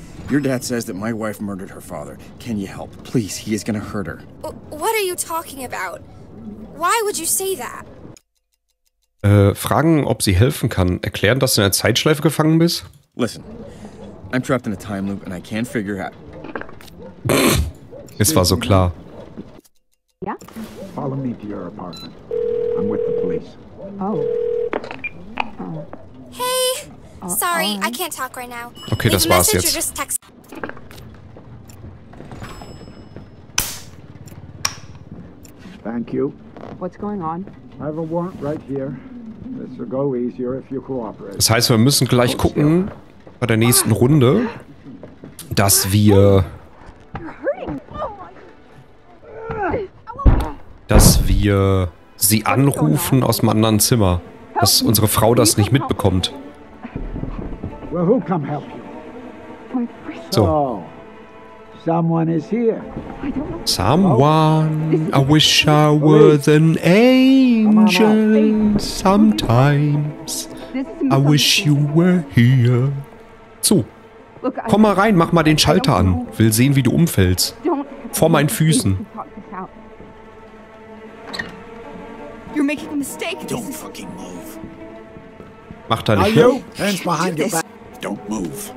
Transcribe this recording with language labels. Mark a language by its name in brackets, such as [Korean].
[English] Your dad says that my wife murdered her father. Can you help? Please, he is gonna hurt her. What are you talking about? Why would you say that? [German] Fragen, ob sie helfen kann. Erklären, dass du in einer Zeitschleife gefangen bist? [English] Listen, I'm trapped in a time loop and I can't figure out... [German] Es war so klar. Ja? [English] Follow me to your apartment. I'm with the police. Oh. Hey! Sorry, I can't talk right now. [German] Okay, das war's jetzt. [English] Just text. Thank you. What's going on? I have a warrant right here. This will go easier if you cooperate. [German] Das heißt, wir müssen gleich gucken bei der nächsten Runde, dass wir sie anrufen aus dem anderen Zimmer, dass unsere Frau das nicht mitbekommt. [English] Well, who come help you? So. Someone is here. Someone, I wish I were an angel. Sometimes I wish you were here. [German] So, komm mal rein, mach mal den Schalter an. Will sehen, wie du umfällst. Vor meinen Füßen. [English] You're making a mistake. Don't fucking move. [German] Mach da nicht hin. [English] Don't move.